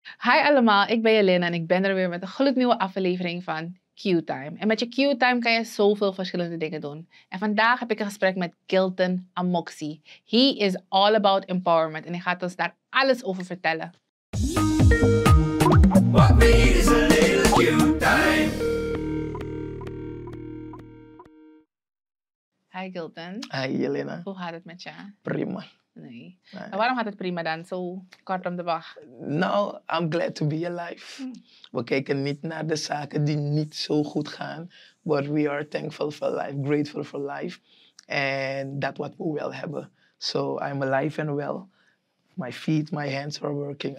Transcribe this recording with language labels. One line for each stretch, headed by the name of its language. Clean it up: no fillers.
Dutch: Hi allemaal, ik ben Jelena en ik ben er weer met een gloednieuwe aflevering van Q-Time. En met je Q-Time kan je zoveel verschillende dingen doen. En vandaag heb ik een gesprek met Kilton Amoxie.
English: He is all about empowerment
Dutch: en hij gaat ons daar alles over vertellen.
English: What we need is a little Q-Time. Hi Kilton. Hi Jelena.
Dutch: Hoe gaat het met jou? Prima. Nee. En waarom gaat het prima dan, zo kort om de wacht?
English: Nou, I'm glad to be alive.
Dutch: We kijken niet naar de zaken die niet zo goed gaan.
English: But we are thankful for life, grateful for life. And that's what we
Dutch: wel hebben.
English: So I'm alive and well. My feet, my hands are working.